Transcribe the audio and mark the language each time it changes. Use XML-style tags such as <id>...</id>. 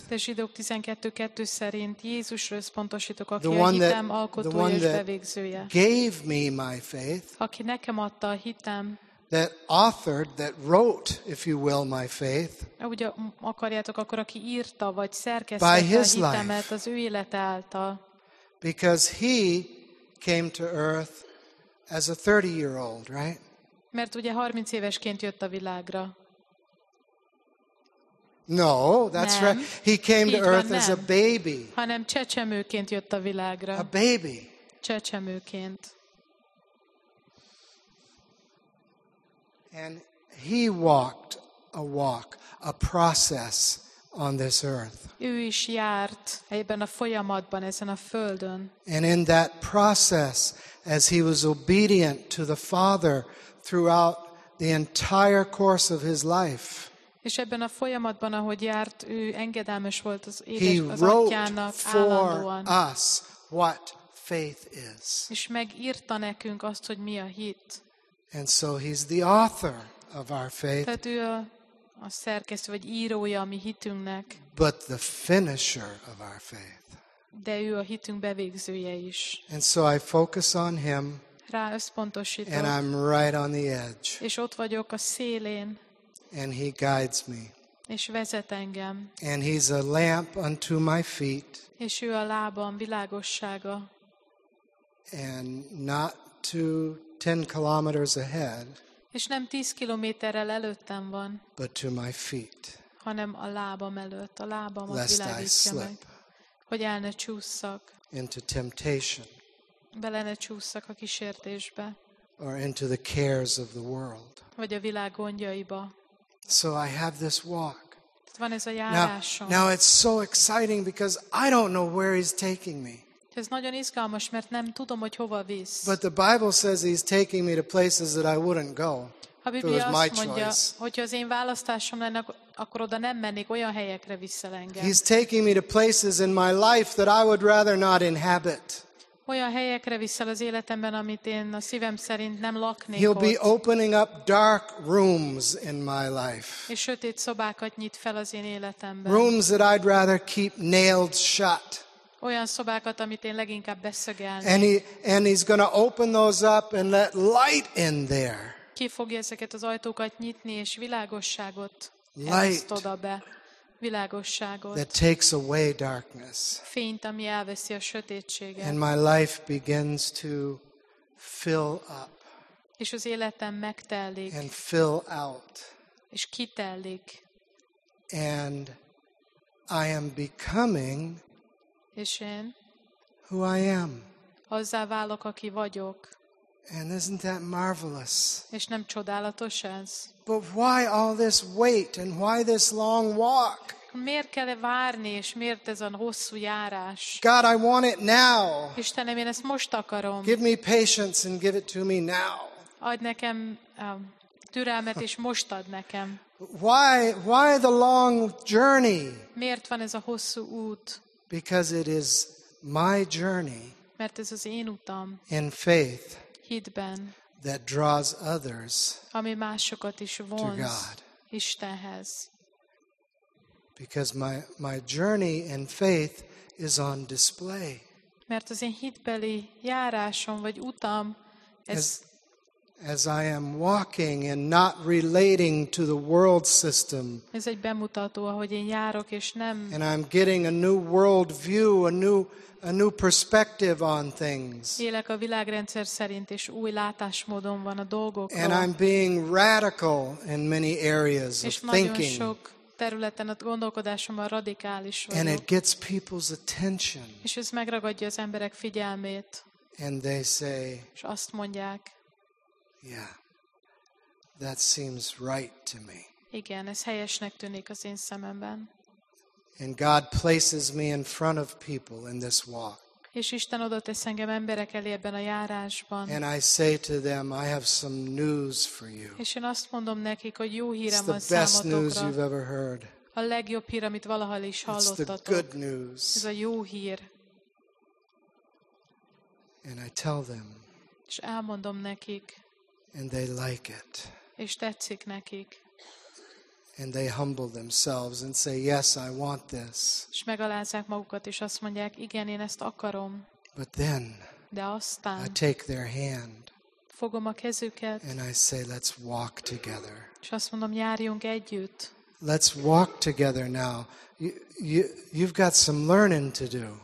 <hu>De Zsidók 12:2 szerint Jézusra összpontosítok, aki a hitem alkotója és bevégzője.</hu> <en>Gave me my faith.</en> <hu>Aki nekem adta a hitem.</hu> <en>That authored, that wrote, if you will, my faith.</en> <hu>Ahogy akarjátok, akkor aki írta vagy szerkesztette a hitemet az ő élete által.</hu> <en>Because he came to earth as a 30-year-old, right?</en> <hu>Mert ugye 30 évesként jött a világra.</hu> <en>No, that's</en> <hu>nem.</hu> <en>Right. He came</en> <hu>így</hu> <en>to earth</en> <hu>van,</hu> <en>as a baby.</en> <hu>Hanem csecsemőként jött a világra.</hu> <en>A baby.</en> <hu>Csecsemőként.</hu> <en>And he walked a walk, a process on this earth.</en> <hu>Ő is járt ebben a folyamatban, ezen a földön.</hu> <en>And in that process, as he was obedient to the Father throughout the entire course of his life,</en> <hu>és ebben a folyamatban, ahogy járt, ő engedelmes volt az édes,</hu> <en>he</en> <hu>az</hu> <en>wrote</en> <hu>atyának</hu> <en>for</en> <hu>állandóan.</hu> <en>Us what faith is.</en> <hu>És megírta nekünk azt, hogy mi a hit.</hu> <en>And so he's the author of our faith.</en> <hu>Tehát ő a szerkesztő vagy írója a mi hitünknek.</hu> <en>But the finisher of our faith.</en> <hu>De ő a hitünk bevégzője is.</hu> <en>And so I focus on him.</en> <hu>Rá összpontosítom.</hu> <en>And I'm right on the edge.</en> <hu>És ott vagyok a szélén.</hu> <en>And he guides me.</en> <hu>És vezet engem.</hu> <en>And he's a lamp unto my feet.</en> <hu>És ő a lábam világossága.</hu> <en>And not to 10 kilometers ahead.</en> <hu>És nem 10 kilométerrel előttem van,</hu> <en>but to my feet,</en> <hu>hanem a lábam előtt, a lábam</hu> <en>lest</en> <hu>a világítja, hogy el ne csúszszak</hu> <en>into temptation,</en> <hu>bele ne csúszszak a kísértésbe,</hu> <en>or into the cares of the world,</en> <hu>vagy a világ gondjaiba.</hu> <en>So I have this walk.</en> <hu>Van ez a járásom.</hu> <en>Now it's so exciting because I don't know where he's taking me.</en> <hu>Ez nagyon izgalmas, mert nem tudom, hogy hova visz.</hu> <en>But the Bible says he's taking me to places that I wouldn't go.</en> <hu>Ha Biblia azt mondja, hogyha az én választásom lenne, akkor oda nem mennék, olyan helyekre visszel engem.</hu> <en>He's taking me to places in my life that I would rather not inhabit.</en> <hu>Olyan helyekre visszel az életemben, amit én a szívem szerint nem laknék.</hu> <en>He'll be opening up dark rooms in my life.</en> <hu>És sötét szobákat nyit fel az én életemben.</hu> <en>Rooms that I'd rather keep nailed shut.</en> <hu>Olyan szobákat, amit én leginkább beszögelnék.</hu> <en>And he's going to open those up and let light in there.</en> <hu>Ki fogja ezeket az ajtókat nyitni és világosságot ereszt oda be. Világosságot.</hu> <en>That takes away darkness.</en> <hu>Fényt, ami elveszi a sötétséget.</hu> <en>And my life begins to fill up.</en> <hu>És az életem megtelik.</hu> <en>And fill out.</en> <hu>És kitelik.</hu> <en>And I am becoming who I am.</en> <hu>Azzá válok, aki vagyok.</hu> <en>And isn't that marvelous?</en> <hu>És nem csodálatos ez?</hu> <en>But why all this wait and why this long walk?</en> <hu>Miért kell várni és miért ez a hosszú járás?</hu> <en>God, I want it now.</en> <hu>Istenem, én ezt most akarom.</hu> <en>Give me patience and give it to me now.</en> <hu>Add nekem türelmet és most ad nekem.</hu> <en>Why the long journey?</en> <hu>Miért van ez a hosszú út?</hu> <en>Because it is my journey.</en> <hu>Mert ez az én utam.</hu> <en>In faith.</en> <hu>Hitben.</hu> <en>That draws others.</en> <hu>Ami másokat is vonz.</hu> <en>To God.</en> <hu>Istenhez.</hu> <en>Because my journey in faith is on display.</en> <hu>Mert az én hitbeli járásom vagy utam ez.</hu> <en>As I am walking and not relating to the world system.</en> <hu>Ez egy bemutató, ahogy én járok és nem.</hu> <en>And I'm getting a new world view, a new perspective on things.</en> <hu>Élek a világrendszer szerint és új látásmódom van a dolgokra.</hu> <en>And I'm being radical in many areas of thinking.</en> <hu>És nagyon sok területen a gondolkodásomban radikális vagyok.</hu> <en>And it gets people's attention.</en> <hu>És ez megragadja az emberek figyelmét.</hu> <en>And they say.</en> <hu>És azt mondják.</hu> <en>Yeah. That seems right to me.</en> <hu>Igen, ez helyesnek tűnik az én szememben.</hu> <en>And God places me in front of people in this walk.</en> <hu>És Isten oda tesz engem emberek elé ebben a járásban.</hu> <en>And I say to them, I have some news for you.</en> <hu>És én azt mondom nekik, hogy jó hírem van számotokra.</hu> <en>It's the best news you've ever heard.</en> <hu>A legjobb hír, amit valaha is hallottatok.</hu> <en>It's the good news.</en> <hu>Ez a jó hír.</hu> <en>And I tell them.</en> <hu>És elmondom nekik.</hu> <en>And they like it.</en> <hu>És tetszik nekik.</hu> <en>And they humble themselves and say, "Yes, I want this."</en> <hu>És megalázzák magukat és azt mondják, igen, én ezt akarom.</hu> <en>But then,</en> <hu>de aztán,</hu> <en>I take their hand.</en> <hu>Fogom a kezüket.</hu> <en>And I say, "Let's walk together."</en> <hu>És azt mondom, járjunk együtt.</hu> <en>Let's walk together now. You've got some learning to do.</en>